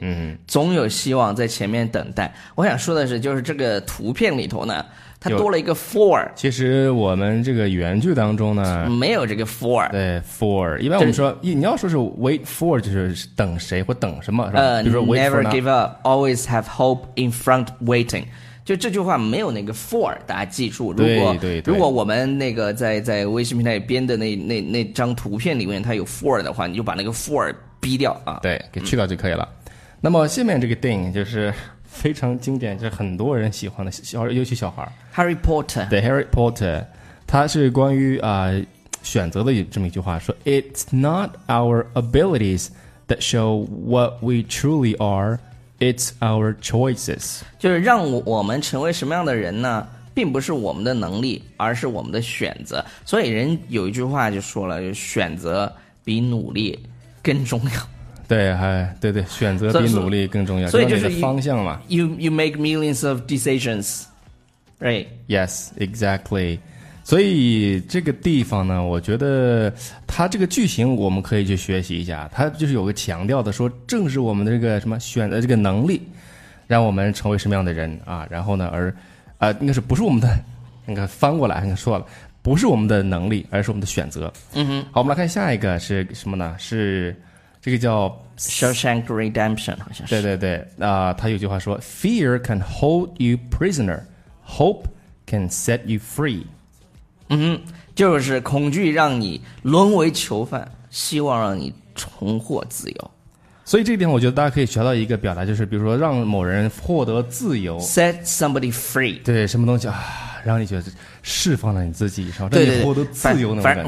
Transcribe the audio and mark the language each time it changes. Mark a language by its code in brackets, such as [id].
[zh] 嗯，总有希望在前面等待。我想说的是，就是这个图片里头呢，它多了一个 for。其实我们这个原句当中呢没有这个 for。对， for 一般我们说、就是、你要说是 wait for 就是等谁或等什么是吧？ [en] 比如说 wait never for give up always have hope in front waiting， [zh] 就这句话没有那个 for， 大家记住。如果对对对，如果我们那个在微信平台编的那张图片里面它有 for 的话，你就把那个 for 逼掉啊，对，给去掉就可以了、嗯、那么下面这个电影就是非常经典，是很多人喜欢的，尤其小孩。 [en] Harry Potter， [zh] 对 ，Harry Potter， 他是关于啊、选择的这么一句话，说 [en] "It's not our abilities that show what we truly are, it's our choices." [zh] 就是让我们成为什么样的人呢？并不是我们的能力，而是我们的选择。所以人有一句话就说了，就选择比努力更重要。对，还对对，选择比努力更重要。所以就是你的方向嘛。 [en] You make millions of decisions, right? Yes, exactly. [zh] 所以这个地方呢，我觉得它这个剧情我们可以去学习一下。它就是有个强调的说，正是我们的这个什么选择这个能力，让我们成为什么样的人啊？然后呢，应该是不是我们的那个翻过来，应该说了，不是我们的能力，而是我们的选择。嗯哼。好，我们来看下一个是什么呢？是。这个叫 [en] Shawshank Redemption， 好像是。 [zh] 对对对，啊、他有句话说 [en] ：“Fear can hold you prisoner, hope can set you free。” [zh] 嗯哼，就是恐惧让你沦为囚犯，希望让你重获自由。所以这一点，我觉得大家可以学到一个表达，就是比如说让某人获得自由 [en] ，set somebody free。 [zh] 对，什么东西啊？让你觉得释放了你自己，是吧？让你获得自由那种感觉。